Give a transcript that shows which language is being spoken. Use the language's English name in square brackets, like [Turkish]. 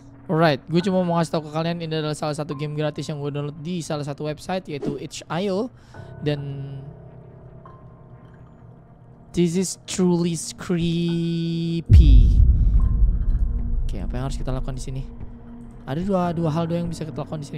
[Indonesian] Alright, gue cuma mau ngasih tau ke kalian, ini adalah salah satu game gratis yang gue download di salah satu website, yaitu itch.io. [English] Dan this is truly creepy. [Indonesian] Oke, apa yang harus kita lakukan di sini? Ada dua hal doang yang bisa kita lakukan di sini.